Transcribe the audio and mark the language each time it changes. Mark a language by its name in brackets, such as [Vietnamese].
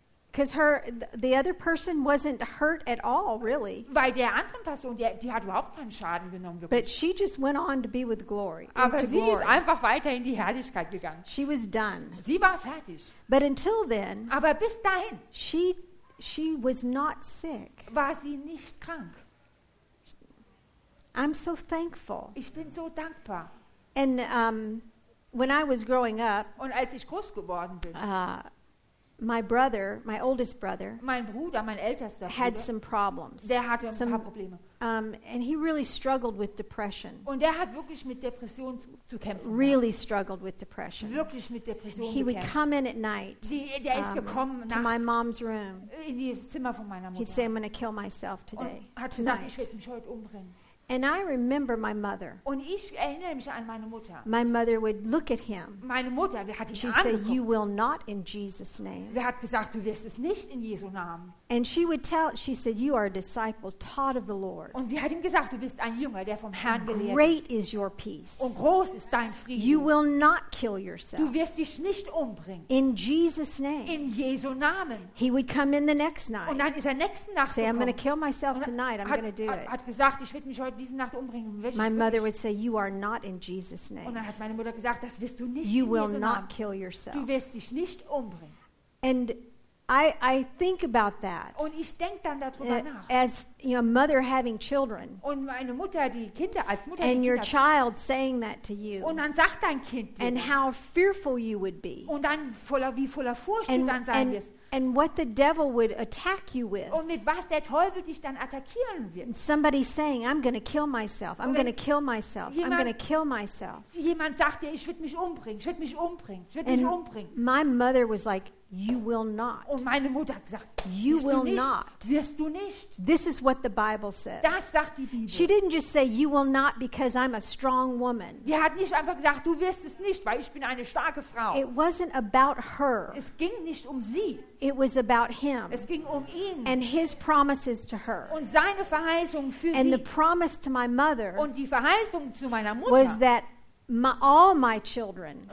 [English] Because the other person wasn't hurt at all, really. [German] Weil der anderen Person, die hat überhaupt keinen Schaden genommen. Wirklich. [English] But she just went on to be with glory. [German] Aber sie ist einfach weiter in die Herrlichkeit gegangen. [English] She was done. [German] Sie war fertig. [English] But until then, [German] aber bis dahin, [English] she was not sick. [German] War sie nicht krank. [English] I'm so thankful. [German] Ich bin so dankbar. [English] And when I was growing up, [German] und als ich groß geworden bin, [English] my brother, my oldest brother, [German] mein Bruder, mein ältester Bruder, [English] had some problems. [German] Der hatte ein paar Probleme. [English] And he really struggled with depression. [German] Und er hat wirklich mit Depression zu kämpfen. [English] Really struggled with depression. [German] Wirklich mit Depression. [English] He would come in at night. [German] Der ist gekommen [English] to my mom's room. [German] In das Zimmer von meiner Mutter. [English] He'd say, "I'm going to kill myself today." [German] Und hat gesagt, ich werde mich heute umbringen. [English] And I remember my mother. [German] Und ich erinnere mich an meine Mutter. [English] My mother would look at him. [German] Meine Mutter, wer hat ihn angeguckt? [English] She'd say, "You will not in Jesus' name." [German] Wer hat gesagt, du wirst es nicht in Jesu Namen? [English] And she would tell. She said, "You are a disciple, taught of the Lord." [German] Und sie hat ihm gesagt, du bist ein Jünger, der vom Herrn gelehrt ist. [English] Great is your peace. [German] Und groß ist dein Frieden. [English] You will not kill yourself. [German] Du wirst dich nicht umbringen. [English] In Jesus' name. [German] In Jesu Namen. [English] He would come in the next night. [German] Und dann ist er nächsten Nacht gekommen. [English] Say, "I'm going to kill myself tonight. I'm going to do it." [German] Hat gesagt, ich werde mich heute diese Nacht umbringen. [English] My mother would say, "You are not in Jesus' name." [German] Und dann hat meine Mutter gesagt, das wirst du nicht in Jesu Namen. [English] You will not kill yourself. [German] Du wirst dich nicht umbringen. [English] And I think about that. [German] Und ich denk dann darüber nach. [English] As you know, mother having children. [German] Und meine Mutter die Kinder als Mutter. [English] And [German] die [English] your [German] Kinder [English] child [German] hat. [English] Saying that to you. [German] Und dann sagt dein Kind dir. [English] And [German] das. [English] How fearful you would be. [German] Und dann voller Furcht und dann sein wirst. [English] And what the devil would attack you with. [German] Und mit was der Teufel dich dann attackieren wird. [English] And somebody saying, "I'm going to kill myself. I'm going to kill myself. [German] Jemand, [English] I'm going to kill myself." [German] Jemand sagt dir, ich werde mich umbringen. Ich werde mich umbringen. Ich werde mich umbringen. [English] My mother was like, "You will not." [German] Und meine Mutter hat gesagt, [English] "You will [German] nicht, [English] not. [German] Wirst du nicht." [English] This is what the Bible says. [German] Das sagt die Bibel. [English] She didn't just say, "You will not because I'm a strong woman." [German] Die hat nicht einfach gesagt, du wirst es nicht, weil ich bin eine starke Frau. [English] It wasn't about her. [German] Es ging nicht um sie. [English] It was about him. [German] Es ging um ihn. [English] And his promises to her. [German] Und seine Verheißung für [English] and [German] sie. [English] And the promise to my mother. [German] Und die Verheißung zu meiner Mutter. [English] Was that all my children